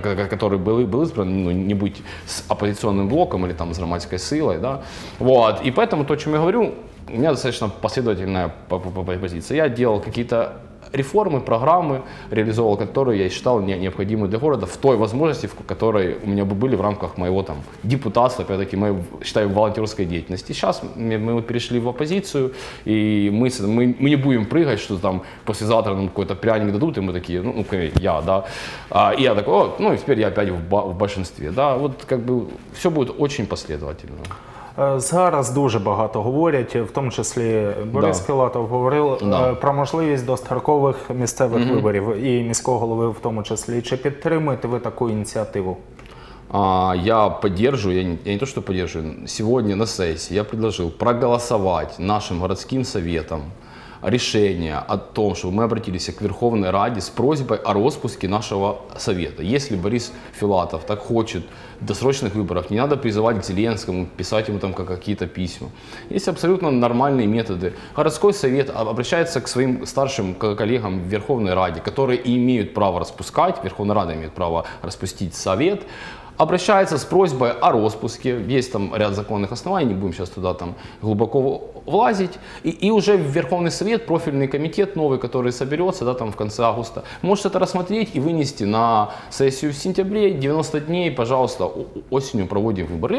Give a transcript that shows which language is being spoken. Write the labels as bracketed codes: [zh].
[ru] который был избран, ну, не быть с оппозиционным блоком или там с громадской силой, да, вот, и поэтому то, о чем я говорю, у меня достаточно последовательная позиция, я делал какие-то реформы, программы реализовал, которые я считал необходимы для города в той возможности, в которой у меня бы были в рамках моего там депутатства, опять-таки, моей, считаю, волонтерской деятельности. Сейчас мы перешли в оппозицию, и мы не будем прыгать, что там послезавтра нам какой-то пряник дадут, и мы такие, ну, я, да. И я такой, ну, и теперь я опять в большинстве, да. Вот как бы все будет очень последовательно. [uk] Зараз дуже багато говорять, в тому числі Борис Філатов говорив про можливість дострокових місцевих виборів і міського голови в тому числі. Чи підтримуєте ви таку ініціативу? Я не то, що підтримую, сьогодні на сесії я пропонував проголосувати нашим городським советам [ru] решение о том, чтобы мы обратились к Верховной Раде с просьбой о распуске нашего совета. Если Борис Филатов так хочет досрочных выборов, не надо призывать к Зеленскому, писать ему там какие-то письма. Есть абсолютно нормальные методы. Городской совет обращается к своим старшим коллегам в Верховной Раде, которые и имеют право распускать, Верховная Рада имеет право распустить совет, обращается с просьбой о распуске, есть там ряд законных оснований, не будем сейчас туда там глубоко влазить, и уже в Верховный Совет, профильный комитет новый, который соберется да, там в конце августа, может это рассмотреть и вынести на сессию в сентябре, 90 дней, пожалуйста, осенью проводим выбор.